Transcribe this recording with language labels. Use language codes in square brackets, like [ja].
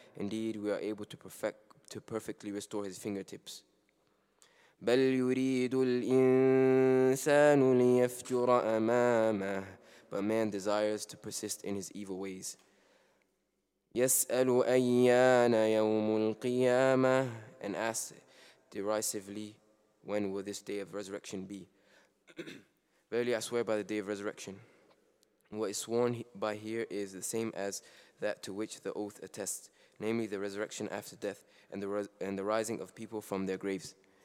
[en] Indeed, we are able to perfectly restore his fingertips. [ar] بل يريد الإنسان ليفجر أمامه. [en] But man desires to persist in his evil ways. [ar] يسأل أيان يوم القيامة. [en] And asks derisively, when will this day of resurrection be? Verily I swear by the Day of Resurrection. What is sworn by here is the same as that to which the oath attests, namely the resurrection after death and the rising of people from their graves.